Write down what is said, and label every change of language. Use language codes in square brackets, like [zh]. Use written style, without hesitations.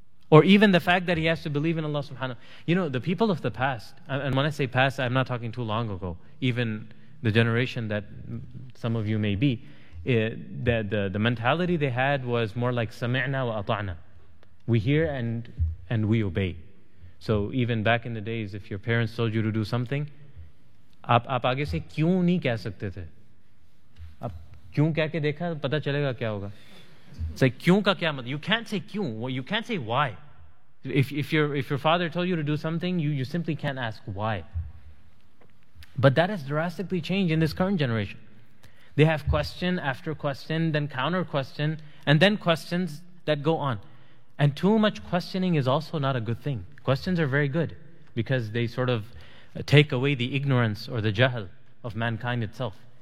[en] Or even the fact that he has to believe in Allah subhanahu wa ta'ala. You know, the people of the past, and when I say past, I'm not talking too long ago, even the generation that some of you may be, the mentality they had was more like sami'na wa ata'na. We hear and we obey. So even back in the days, if your parents told you to do something, [ur] آپ آگے سے کیوں نہیں کہہ سکتے تھے? آپ کیوں کہہ کے دیکھا, پتا چلے گا کیا ہوگا? [en] It's like [ur] کیوں کا کیا مطلب? [en] You can't say [ur] کیوں. [en] You can't say why. If your father told you to do something, you simply can't ask why. But that has drastically changed in this current generation. They have question after question, then counter question, and then questions that go on. And too much questioning is also not a good thing. Questions are very good because they sort of take away the ignorance or the jahl of mankind itself.